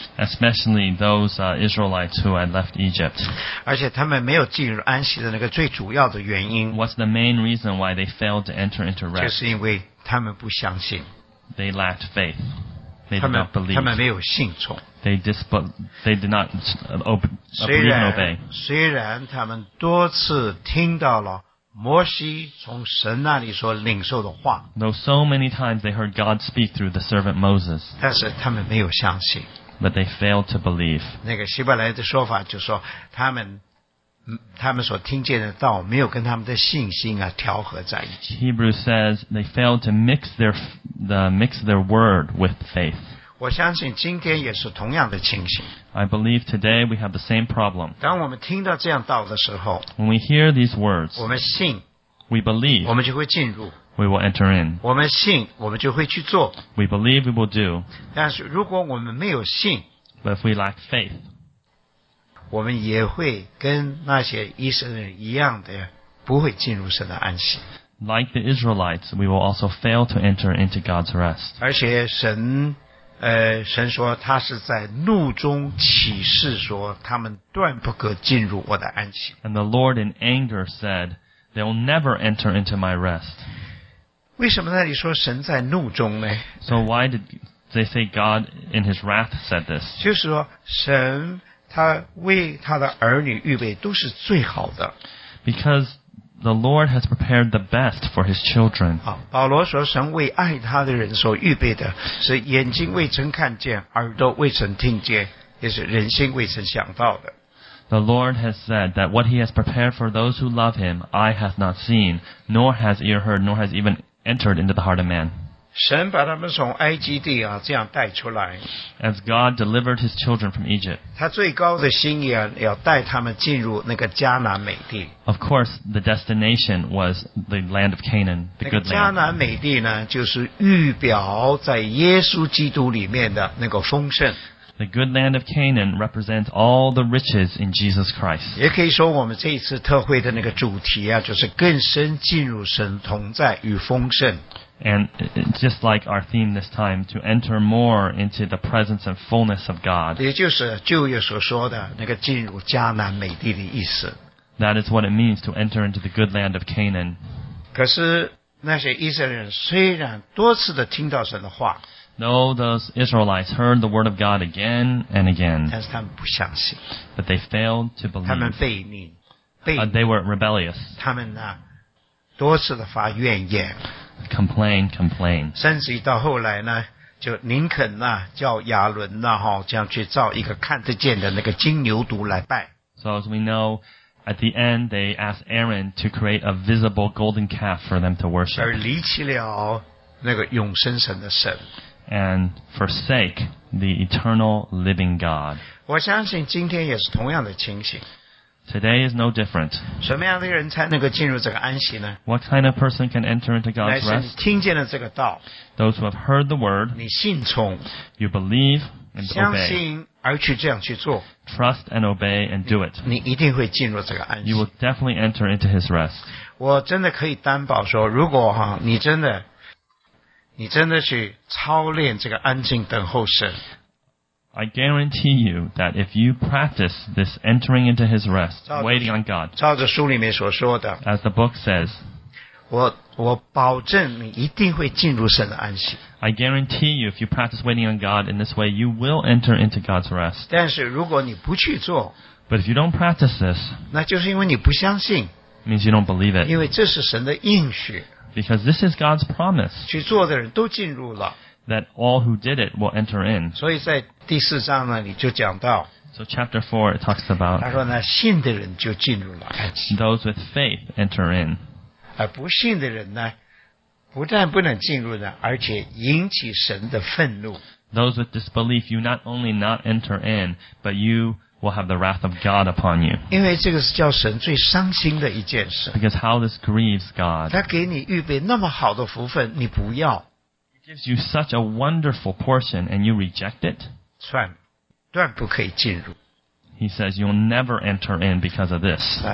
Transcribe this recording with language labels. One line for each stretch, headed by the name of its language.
English: especially those Israelites who had left Egypt
Chinese: 而且他们没有进入安息的那个最主要的原因
English: what's the main reason why they failed to enter into rest
Chinese: 就是因为他们不相信
English: they lacked faith they did not believe
Chinese: 他们没有信从
English: they did not believe and obey
Chinese: 虽然他们多次听到了摩西从神那里所领受的话
English: Though so many times they heard God speak through the servant Moses
Chinese: 但是他们没有相信
English: But they failed to believe
Chinese: 那个希伯来的说法就是说他们所听见的道没有跟他们的信心啊调和在一起
English: Hebrews says they failed to mix their word with faith
Chinese: 我相信今天也是同样的情形
English: I believe today we have the same problem
Chinese: 当我们听到这样道的时候
English: When we hear these words
Chinese: 我们信
English: We believe
Chinese: 我们就会进入
English: We will enter in
Chinese: 我们信我们就会去做
English: We believe we will do
Chinese: 但是如果我们没有信
English: But if we lack faith
Chinese: 我们也会跟那些以色列人一样的不会进入神的安息
English: Like the Israelites we will also fail to enter into God's rest
Chinese: 而且神说他是在怒中启示说他们断不可进入我的安息。
English: And the Lord in anger said, they'll never enter into my rest.
Chinese: 为什么那里说神在怒中呢?
English: So why did They say God in his wrath said this.
Chinese: 就是说神他为他的儿女预备都是最好的。
English: Because the Lord has prepared the best for his children.
Chinese: 保罗说神为爱他的人所预备的是眼睛未曾看见耳朵未曾听见也是人心未曾想到的。
English: The Lord has said that what he has prepared for those who love him, eye hath not seen, nor has ear heard, nor has even entered into the heart of man.
Chinese: 神把他们从埃及地啊这样带出来。
English: As God delivered his children from Egypt.
Chinese: 他最高的心意啊要带他们进入那个迦南美地。
English: Of course, the destination was the land of Canaan, the good land.
Chinese: 那个迦南美地呢就是预表在耶稣基督里面的那个丰盛。
English: The good land of Canaan represents all the riches in Jesus Christ.
Chinese: 也可以说我们这一次特会的那个主题啊，就是更深进入神同在与丰盛。
English: And just like our theme this time, to enter more into the presence and fullness of God.
Chinese: 也就是旧约所说的那个进入迦南美地的意思。
English: That is what it means to enter into the good land of Canaan.
Chinese: 可是那些以色列人虽然多次的听到神的话。
English: Though those Israelites heard the word of God again and again,
Chinese: 但是他们不相信,
English: but they failed to believe.
Chinese: 他们悖逆, 悖逆,
English: they were rebellious.
Chinese: 他们呢, 多次的发怨言,
English: complain, complain.
Chinese: 甚至于到后来呢, 就宁肯呢, 叫亚伦呢, 这样去造一个看得见的那个金牛犊来拜。
English: So as we know, at the end, they asked Aaron to create a visible golden calf for them to worship.
Chinese: 而离弃了那个永生神的神。
English: And forsake the eternal living God.
Chinese: 我相信今天也是同样的情形。
English: Today is no different.
Chinese: 什么样的人才能够进入这个安息呢？
English: What kind of person can enter into God's rest?
Chinese: 乃是你听见了这个道。
English: Those who have heard the word.
Chinese: 你信从。
English: You believe and obey.
Chinese: 相信而去这样去做。
English: Trust and obey and do it.
Chinese: 你一定会进入这个安息。
English: You will definitely enter into his rest.
Chinese: 我真的可以担保说，如果哈你真的你真的去操练这个安静等候神。
English: I guarantee you that if you practice this entering into his rest, waiting on God,
Chinese: 照着书里面所说的
English: as the book says,
Chinese: 我保证你一定会进入神的安息。
English: I guarantee you if you practice waiting on God in this way, you will enter into God's rest.
Chinese: 但是如果你不去做
English: but if you don't practice this,
Chinese: 那就是因为你不相信
English: means you don't believe it.
Chinese: 因为这是神的应许。
English: Because this is God's promise.
Chinese: 去做的人都进入了。
English: That all who did it will enter in.
Chinese: 所以在第四章呢，你就讲到。
English: So chapter 4 it talks about.
Chinese: 他说呢，信的人就进入了。
English: Those with faith enter in.
Chinese: 而不信的人呢，不但不能进入呢，而且引起神的愤怒。
English: Those with disbelief, you not only not enter in, but you will have the wrath of God upon you.
Chinese: 因为这个是叫神最伤心的一件事。
English: Because how this grieves God.
Chinese: 他给你预备那么好的福分，你不要。
English: He gives you such a wonderful portion and you reject it.
Chinese: 断不可以进入。
English: He says you'll never enter in because of this.